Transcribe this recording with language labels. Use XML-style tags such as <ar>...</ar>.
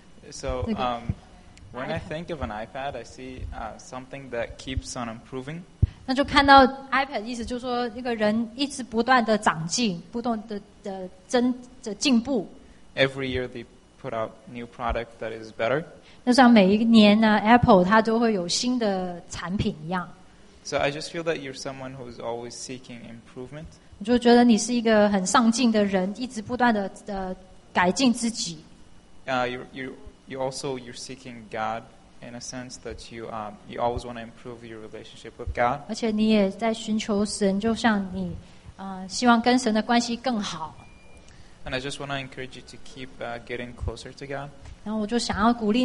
<en>So when I think of an iPad, I see something that keeps on improving.</en> <zh>那就看到 iPad 意思就是说一个人一直不断的长进，不断的进步.</zh> <en>Every year they put out new product that is better.</en> <zh>那像每一年呢 ，Apple 它都会有新的产品一样.</zh> <en>So I just feel that you're someone who is always seeking improvement.</en> <zh>我就觉得你是一个很上进的人，一直不断的改进自己。</zh> <en>You're seeking God in a sense that you always want to improve your relationship with God.</en> <zh>而且你也在寻求神，就像你希望跟神的关系更好。</zh> <en>And I just want to encourage you to keep getting closer to God.</en>